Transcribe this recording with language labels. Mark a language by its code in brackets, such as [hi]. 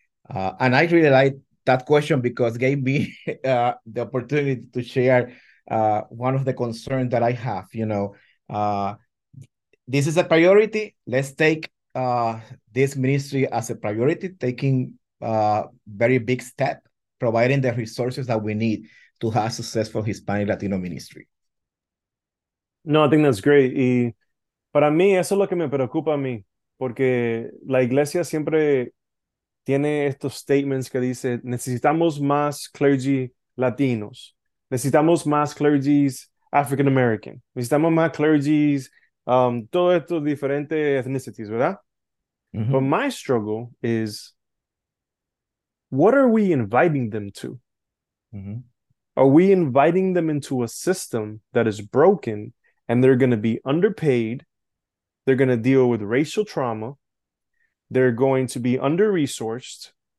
[en] And I really like that question because it gave me the opportunity to share one of the concerns that I have. You know, this is a priority. Let's take this ministry as a priority, taking a very big step, providing the resources that we need to have a successful Hispanic Latino ministry. No, I think that's great. [es] Y para mí, eso es lo que me preocupa a mí, porque la iglesia siempre tiene estos statements que dice, necesitamos más clergy latinos. Necesitamos más clergies African American. Necesitamos más clergies, todos estos diferentes ethnicities, ¿verdad? Mm-hmm. [en] But my struggle is, what are we inviting them to? Mm-hmm. Are we inviting them into a system that is broken and they're going to be underpaid? They're going to deal with racial trauma. They're going to be under-resourced.